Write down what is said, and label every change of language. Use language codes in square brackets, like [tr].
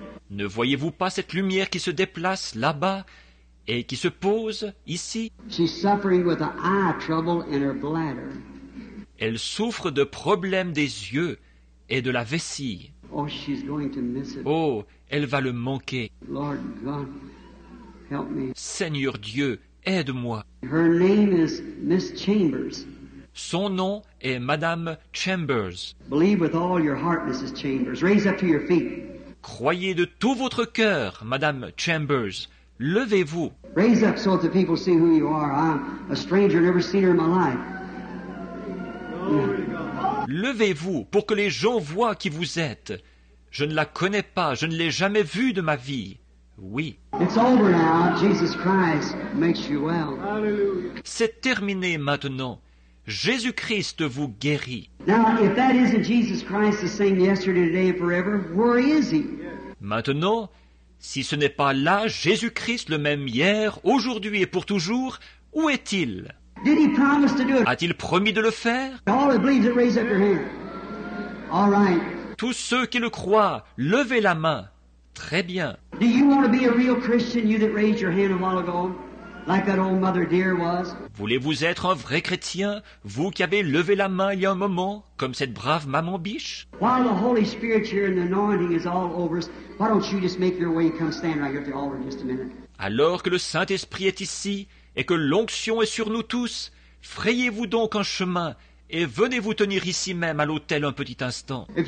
[fr] Ne voyez-vous pas cette lumière qui se déplace là-bas et qui se pose ici? [en] She's suffering with an eye trouble in her bladder. [fr] Elle souffre de problèmes des yeux et de la vessie. [en] Oh, she's going to miss it. [fr] Oh, elle va le manquer. [en] Lord God, help me. [fr] Seigneur Dieu, aide-moi. [en] Her name is Miss Chambers. [fr] Son nom est Madame Chambers. [en] Believe with all your heart, Mrs. Chambers. Raise up to your feet. [fr] Croyez de tout votre cœur, Madame Chambers. Levez-vous. [en] Raise up so that the people see who you are. I'm a stranger, never seen her in my life. Yeah. [fr] Levez-vous pour que les gens voient qui vous êtes. Je ne la connais pas, je ne l'ai jamais vue de ma vie. Oui. [en] It's over now. Jesus Christ makes you well. Hallelujah. [fr] C'est terminé maintenant. Jésus-Christ vous guérit. [en] Now, if that isn't Jesus Christ the same yesterday, today and forever, where is he? [fr] Maintenant, si ce n'est pas là Jésus-Christ le même hier, aujourd'hui et pour toujours, où est-il? [en] Did he promise to do it? [fr] A-t-il promis de le faire? [en] All that believes it, raise up your hand. All right. [fr] Tous ceux qui le croient, levez la main. Très bien. [en] Do you want to be a real Christian, you that raised your hand a while ago, like that old mother dear was? [fr] Voulez-vous être un vrai chrétien, vous qui avez levé la main il y a un moment, comme cette brave maman biche? [en] While the Holy Spirit here and the anointing is all over us, why don't you just make your way and come stand right here at the altar in just a minute? [fr] Alors que le Saint-Esprit est ici et que l'onction est sur nous tous, frayez-vous donc un chemin et venez vous tenir ici même à l'autel un petit instant.